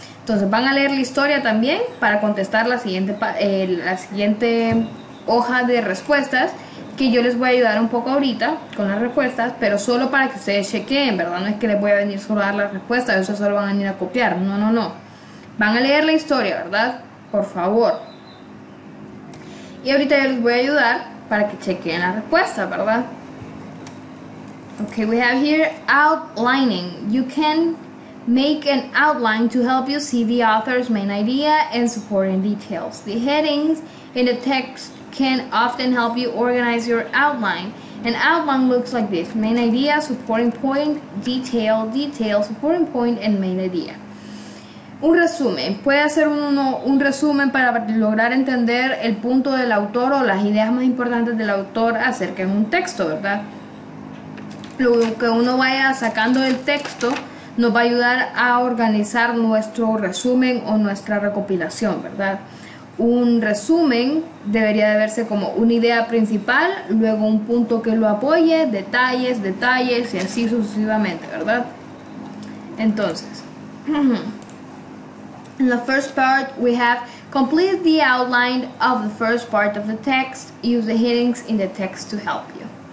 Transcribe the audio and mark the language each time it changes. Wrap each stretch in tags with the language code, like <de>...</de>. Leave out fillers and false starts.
<es>Entonces van a leer la historia también para contestar la siguiente hoja de respuestas, que yo les voy a ayudar un poco ahorita con las respuestas, pero solo para que ustedes chequeen, ¿verdad? No es que les voy a venir solo a dar las respuestas, ellos solo van a venir a copiar. No. Van a leer la historia, ¿verdad? Por favor. Y ahorita yo les voy a ayudar para que chequeen las respuestas, ¿verdad?</es> <en>Okay, we have here outlining. You can make an outline to help you see the author's main idea and supporting details. The headings in the text can often help you organize your outline. An outline looks like this: main idea, supporting point, detail, supporting point, and main idea.</en> <es>Un resumen. Puede hacer un resumen para lograr entender el punto del autor o las ideas más importantes del autor acerca de un texto, ¿verdad? Lo que uno vaya sacando del texto nos va a ayudar a organizar nuestro resumen o nuestra recopilación, ¿verdad? Un resumen debería de verse como una idea principal, luego un punto que lo apoye, detalles, y así sucesivamente, ¿verdad?</es> <en>Entonces, in the first part we have complete the outline of the first part of the text, use the headings in the text to help you.</en>